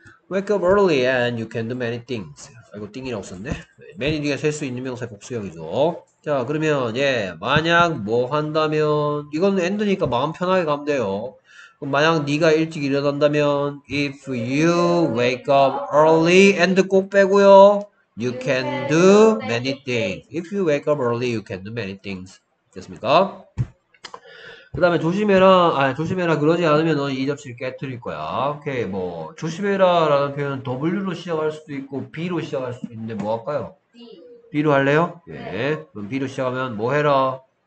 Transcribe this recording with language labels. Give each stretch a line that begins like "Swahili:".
English: Wake up early and you can do many things.
Korean: 아이고, 띵이라고 썼네. many 뒤에 셀수 있는 명사의 복수형이죠. 자, 그러면, 예, 만약 뭐 한다면, 이건 엔드니까 마음 편하게 가면 돼요. 그럼 만약 네가 일찍 일어난다면,
English: if you wake up early,
Korean: 엔드 꼭 빼고요, you
English: can can do do many many things. things. If you wake up early, you can do many things. 됐습니까?
Korean: 그 다음에 조심해라 그러지 않으면 너 2접시를 깨뜨릴 거야. 오케이. 뭐 조심해라라는 표현은 W로 시작할 수도 있고 B로 시작할 수도 있는데 뭐 할까요? B로 할래요? 예. 그럼 B로 시작하면 뭐 해라?